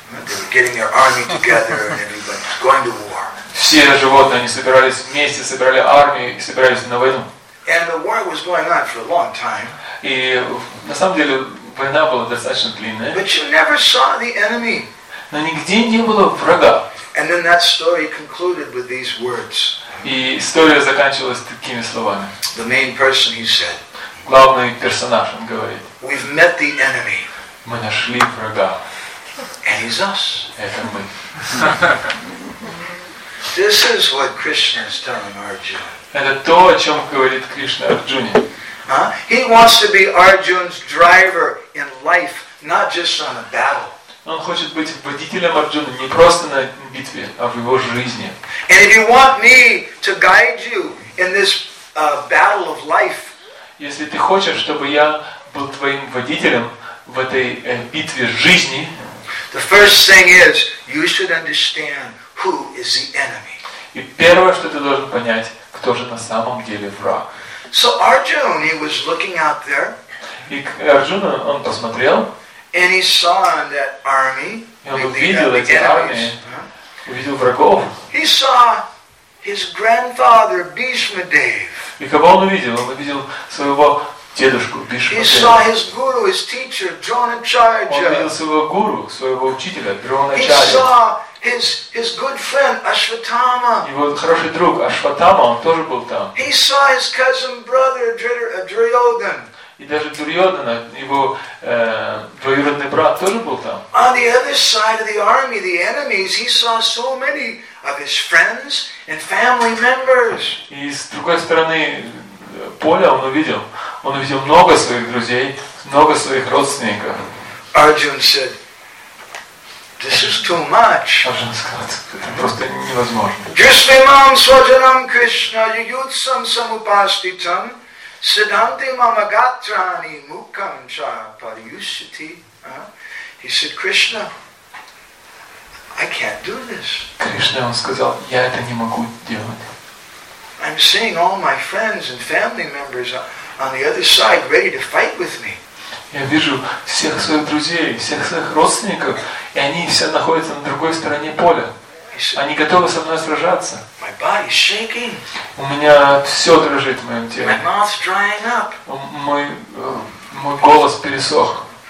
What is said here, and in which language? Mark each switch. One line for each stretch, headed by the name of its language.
English: They were getting their army together and everybody was going to war.
Russian: Все животные, они собирались вместе, собирали армию и собирались на войну.
English: And the war was going on for a long time.
Russian: И на самом деле война была достаточно длинная.
English: But you never saw the enemy.
Russian: Но нигде не было врага.
English: And then that story concluded with these words.
Russian: И история заканчивалась такими словами.
English: The main person, he said.
Russian: Главный персонаж, он говорит.
English: We've met the enemy.
Russian: Мы нашли врага.
English: And he's us.
Russian: Это мы.
English: This is what Krishna is telling Arjuna.
Russian: Это то, о чем говорит Кришна Арджуне.
English: He wants to be Arjuna's driver in life, not just on a battle.
Russian: Он хочет быть водителем Арджуны не просто на битве, а в его жизни.
English: And if you want me to guide you in this battle of life,
Russian: если ты хочешь, чтобы я был твоим водителем в этой битве жизни.
English: The first thing is you should understand who is the enemy.
Russian: И первое, что ты должен понять, кто же на самом деле враг.
English: So Arjuna, he was looking out there.
Russian: И Арджуна, он посмотрел.
English: And he saw on that army.
Russian: Он увидел эти армии. Увидел врагов.
English: He saw his grandfather Bhishma Dev.
Russian: И кого он увидел? Он увидел своего дедушку,
English: he saw his guru, his teacher, Dronacharya.
Russian: Он видел своего гуру, своего учителя, Дроначарья.
English: He saw his good friend Ашватама.
Russian: Его хороший друг Ашватама, он тоже был там.
English: He saw his cousin brother Duryodhana.
Russian: И даже Дурьодана, его двоюродный брат, тоже был там.
English: On the other side of the army, the enemies, he saw so many of his friends and family members.
Russian: И с другой стороны поля он увидел много своих друзей, много своих родственников.
English: Arjun said, this is too much.
Russian: Arjun сказал, это просто невозможно.
Sanskrit: Jishvimam svajanam krishna yuyutsam samupastitam Siddhanti Mamagatrani Mukam Cha Paryushiti.
English: He said, Krishna, I can't do this.
Russian: Krishna, он сказал, я это не могу делать.
English: I'm seeing all my friends and family members on the other side ready to fight with me.
Russian: Я вижу всех своих друзей, всех своих родственников, и они все находятся на другой стороне поля. Они готовы со мной сражаться.
English: My body's shaking.
Russian: У меня все дрожит в моем теле.
English: My mouth's drying up.
Russian: Мой голос пересох.